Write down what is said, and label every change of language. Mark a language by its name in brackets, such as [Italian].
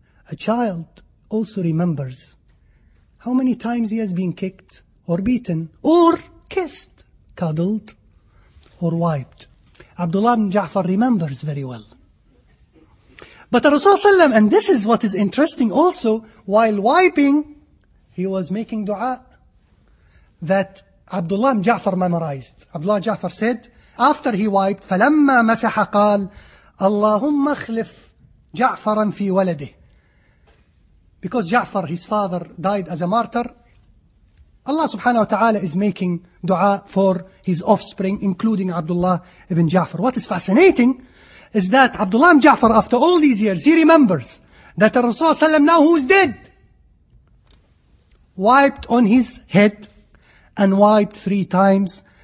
[English] A child also remembers how many times he has been kicked or beaten or kissed, cuddled or wiped. Abdullah ibn Ja'far remembers very well. But the Rasulullah, and this is what is interesting also, while wiping, he was making dua that Abdullah ibn Ja'far memorized. Abdullah Ja'far said, after he wiped, [Arabic] فَلَمَّا مَسَحَ قَالْ أَلَّهُمَّ اخْلِفْ جَعْفَرًا فِي وَلَدِهِ. [English] Because Ja'far, his father, died as a martyr, Allah subhanahu wa ta'ala is making dua for his offspring, including Abdullah ibn Ja'far. What is fascinating is that Abdullah ibn Ja'far, after all these years, he remembers that the Rasulullah now, who is dead, wiped on his head and wiped three times.